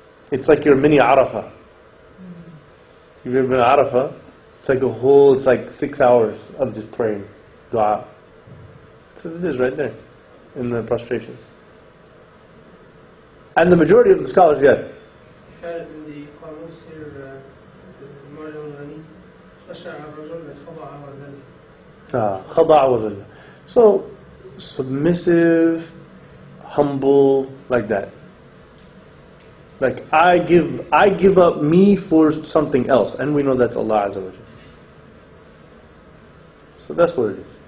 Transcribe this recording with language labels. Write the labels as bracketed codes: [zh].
[en] It's like your mini Arafah. You've ever been to Arafah? It's like a whole, it's like 6 hours of just praying, dua. So it is right there, in the prostration. And the majority of the scholars, yeah. You had it in the Qamus here, the Marjan [ar] Ghani, خَشَعَ الرَّجُلْ خَضَعَ وَذَلِّ. خَضَعَ وَذَلِّ. [en] So, submissive, humble, like that. Like, I give up me for something else, and we know that's Allah Azza wa Jalla. So that's what it is.